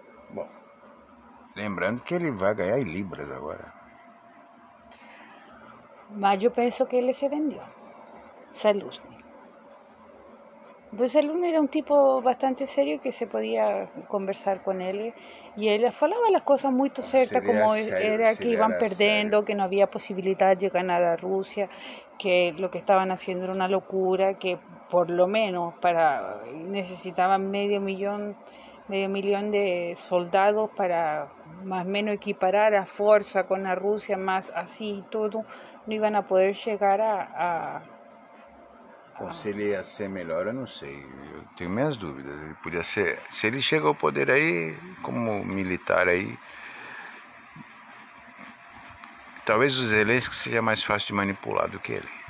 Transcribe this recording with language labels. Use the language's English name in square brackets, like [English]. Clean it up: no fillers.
[Portuguese] Bom, lembrando que ele vai ganhar em libras agora. Mas eu penso que ele se vendeu. Saluznik. [Spanish] Pues Saluznik era un tipo bastante serio que se podía conversar con él y él hablaba las cosas muy ciertas, como serio, era que iban perdiendo, serio. Que no había posibilidad de ganar a Rusia, que lo que estaban haciendo era una locura, que por lo menos para necesitaban medio millón de soldados para más o menos equiparar a fuerza con la Rusia, más así y todo, no iban a poder llegar a [Portuguese] Bom, se ele ia ser melhor, eu não sei. Eu tenho minhas dúvidas. Ele podia ser. Se ele chega ao poder aí, como militar aí. Talvez o Zelensky seja mais fácil de manipular do que ele.